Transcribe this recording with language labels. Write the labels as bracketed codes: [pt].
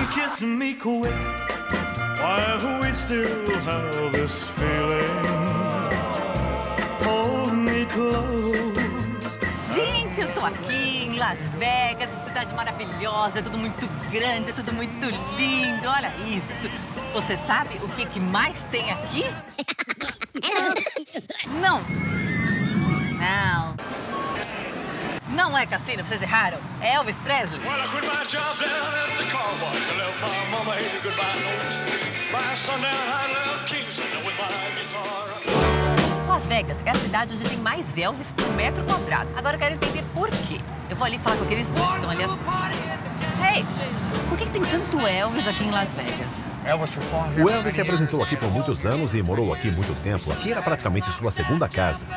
[en] pass me quick while we still have this feeling. Hold me close. [pt] Gente, eu sou aqui em Las Vegas, cidade maravilhosa, é tudo muito grande, é tudo muito lindo, olha isso. Você sabe o que, que mais tem aqui? Não. Não. Não é cassino, vocês erraram. É Elvis Presley. [en] Well, I quit my job down at the car wash. I left my mama here goodbye notes. By sundown, I left Kingston with my guitar. [pt] Las Vegas é a cidade onde tem mais Elvis por metro quadrado. Agora eu quero entender por quê. Eu vou ali falar com aqueles dois que estão ali. [en] Hey, [pt] por que tem tanto Elvis aqui em Las Vegas? O Elvis se apresentou aqui por muitos anos e morou aqui muito tempo. Aqui era praticamente sua segunda casa.